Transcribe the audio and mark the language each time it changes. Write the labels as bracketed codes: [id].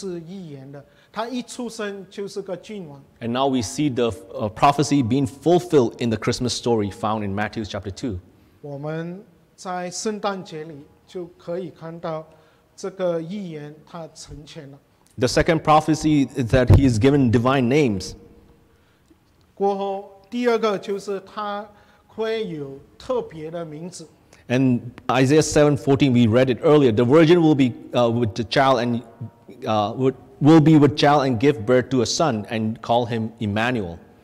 [zh] 只有一个人,那就是以赛亚,他先知预言的,他一出生就是个君王。 [en] And now we see the prophecy being fulfilled in the Christmas story found in Matthew chapter 2. [zh] 我们在圣诞节里就可以看到这个预言,他成全了。 [en] The second prophecy is that he is given divine names. [zh] 过后,第二个就是他会有特别的名字。 [en] And Isaiah 7:14, we read it earlier. The virgin will be with the child and will be with child and give birth to a son and call him Emmanuel.